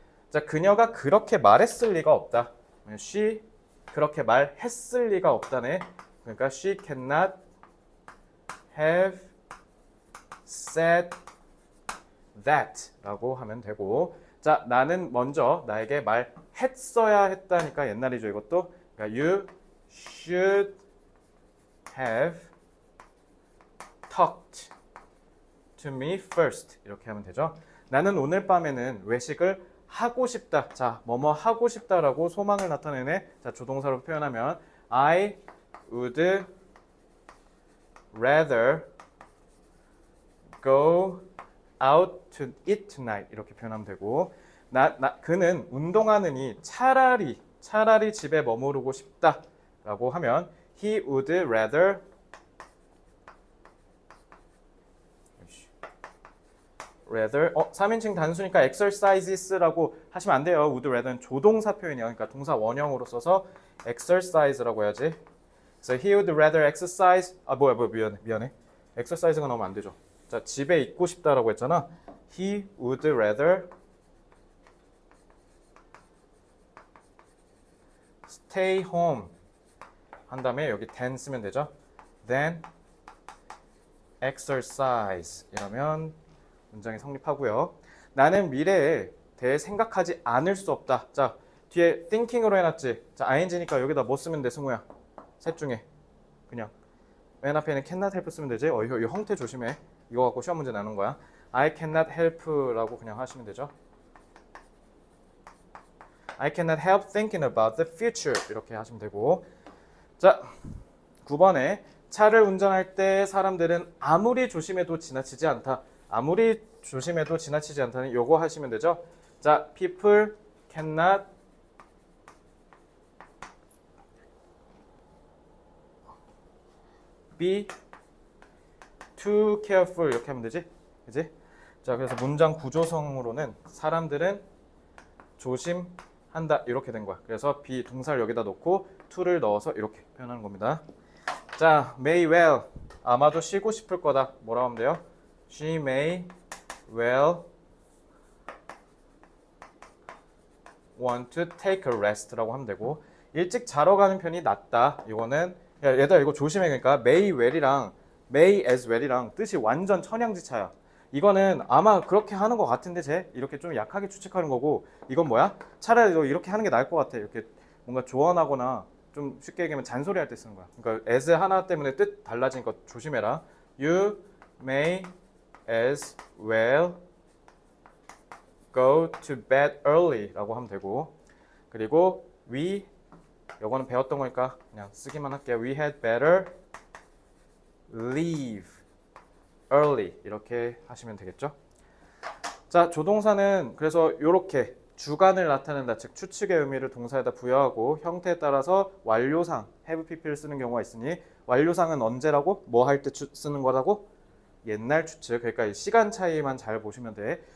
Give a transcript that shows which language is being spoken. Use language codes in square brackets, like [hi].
[ko] 자, 그녀가 그렇게 말했을 리가 없다. She 그렇게 말했을 리가 없다네. 그러니까 [en] she cannot have said that [ko] 라고 하면 되고, 자, 나는 먼저 나에게 말했어야 했다니까 옛날이죠, 이것도. [en] 그러니까 you should have talked to me first [ko] 이렇게 하면 되죠. 나는 오늘 밤에는 외식을 하고 싶다. 자, 뭐뭐 하고 싶다라고 소망을 나타내네. 자, 조동사로 표현하면 [en] I would rather go out to eat tonight. [ko] 이렇게 표현하면 되고, 그는 운동하느니 차라리 집에 머무르고 싶다라고 하면 [en] he would rather rather, [ko] 3인칭 단수니까 exercises라고 하시면 안 돼요. would rather는 조동사 표현이에요. 그러니까 동사 원형으로 써서 exercise라고 해야지. [en] So he would rather exercise. [ko] 아, 뭐야, 미안해. exercise가 나오면 안 되죠. 자, 집에 있고 싶다라고 했잖아. [en] He would rather stay home. [ko] 한 다음에 여기 than 쓰면 되죠. [en] than exercise [ko] 이러면 문장이 성립하고요. 나는 미래에 대해 생각하지 않을 수 없다. 자, 뒤에 thinking으로 해놨지. 자, ing니까 여기다 뭐 쓰면 돼, 승우야? 셋 중에 그냥 맨 앞에는 [en] cannot help [ko] 쓰면 되지. 이 형태 조심해. 이거 갖고 시험 문제 나는 거야. [en] I cannot help [ko] 라고 그냥 하시면 되죠. [en] I cannot help thinking about the future [ko] 이렇게 하시면 되고. 자, 9번에 차를 운전할 때 사람들은 아무리 조심해도 지나치지 않다. 아무리 조심해도 지나치지 않다는 요거 하시면 되죠. [en] 자, people cannot be too careful [ko] 이렇게 하면 되지. 그지? 자, 그래서 문장 구조성으로는 사람들은 조심한다 이렇게 된 거야. 그래서 be 동사를 여기다 놓고 to를 넣어서 이렇게 표현하는 겁니다. 자, may well 아마도 쉬고 싶을 거다. 뭐라고 하면 돼요? [en] She may well want to take a rest [ko] 라고 하면 되고, 일찍 자러 가는 편이 낫다. 이거는 야, 얘들아 이거 조심해. 그러니까 may well이랑 may as well이랑 뜻이 완전 천양지차야. 이거는 아마 그렇게 하는 것 같은데, 쟤 이렇게 좀 약하게 추측하는 거고, 이건 뭐야? 차라리 너 이렇게 하는 게 나을 것 같아. 이렇게 뭔가 조언하거나 좀 쉽게 얘기하면 잔소리할 때 쓰는 거야. 그러니까 as 하나 때문에 뜻 달라진 거 조심해라. [en] You may as well go to bed early [ko] 라고 하면 되고, 그리고 we, 요거는 배웠던 거니까 그냥 쓰기만 할게요. [en] We had better leave early [ko] 이렇게 하시면 되겠죠? 자, 조동사는 그래서 요렇게 주관을 나타낸다, 즉 추측의 의미를 동사에다 부여하고 형태에 따라서 완료상 have pp를 쓰는 경우가 있으니, 완료상은 언제라고? 뭐할때 쓰는 거라고? 옛날 추측. 그러니까 이 시간 차이만 잘 보시면 돼.